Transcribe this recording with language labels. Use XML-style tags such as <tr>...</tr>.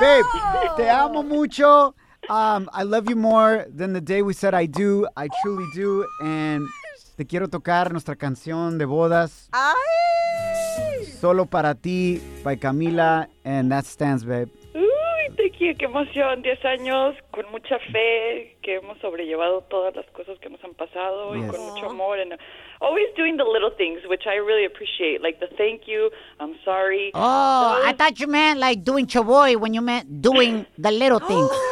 <es>Babe, te amo mucho.</es> <en>I love you more than the day we said I do. I truly do. And</en> <es>te quiero tocar nuestra canción de bodas. ¡Ay!</es> <en>Solo para ti, by Camila, and that stands, babe.</en> <es>¡Uy, te quiero! ¡Qué emoción! 10 años con mucha fe, que hemos sobrellevado todas las cosas que nos han pasado y con mucho amor.</es> <en>And always doing the little things, which I really appreciate. Like the thank you, I'm sorry. Oh, I thought you meant like doing chavoy when you meant doing the little things.</en>